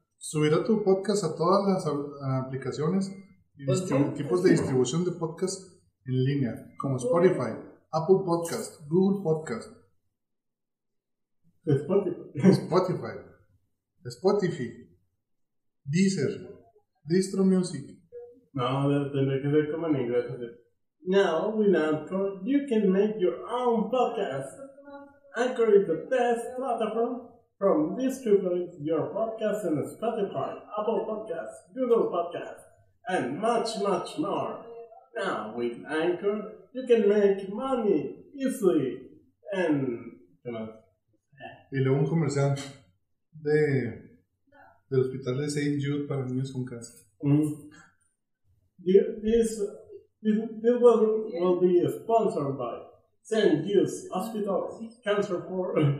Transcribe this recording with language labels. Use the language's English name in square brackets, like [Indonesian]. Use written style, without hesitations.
[Spanish] Subirá tu podcast a todas las aplicaciones y tipos de distribución de podcast en línea, como Spotify, Apple Podcast, Google Podcast. Spotify. Deezer, Distro Music, No, tendría que ser como en inglés. [English] Now with Anchor, you can make your own podcast. Anchor is the best platform from distributing your podcast in Spotify, Apple Podcasts, Google Podcasts, and much, much more. Now with Anchor, you can make money easily. [Spanish] And ¿qué más? Y luego un comercial de del hospital de St. Jude para niños con cáncer. [English] This will be sponsored by St. Jude's Hospital Cancer for